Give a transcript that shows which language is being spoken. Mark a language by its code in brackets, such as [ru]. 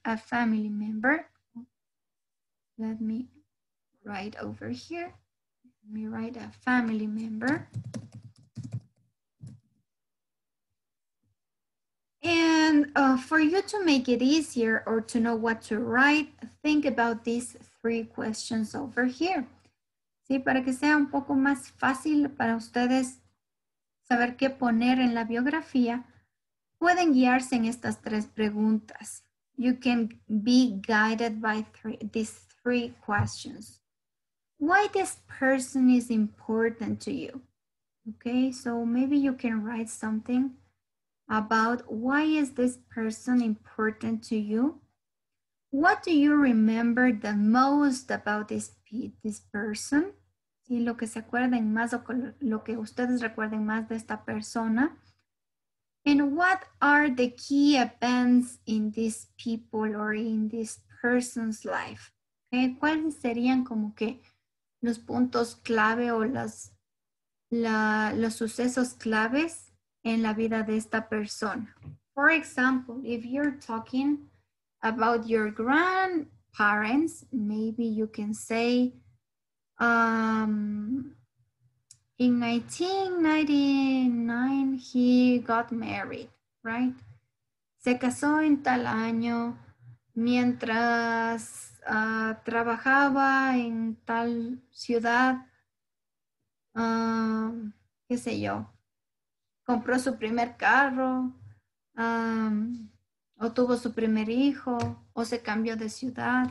[en] A family member. Let me write over here. Let me write a family member. And for you to make it easier or to know what to write, think about these three questions over here. [es] Sí, para que sea un poco más fácil para ustedes saber qué poner en la biografía, pueden guiarse en estas tres preguntas. [en] You can be guided by these three questions. Why this person is important to you? Okay, so maybe you can write something about why is this person important to you? What do you remember the most about this person? [es] Y lo que se acuerden más o lo que ustedes recuerden más de esta persona. [en] And what are the key events in this people or in this person's life? [es] Okay, ¿cuáles serían como que los puntos clave o los sucesos claves en la vida de esta persona? [en] For example, if you're talking about your grandparents, maybe you can say, in 1999, he got married, right? [es] Se casó en tal año mientras trabajaba en tal ciudad, qué sé yo. Compró su primer carro, o tuvo su primer hijo, o se cambió de ciudad.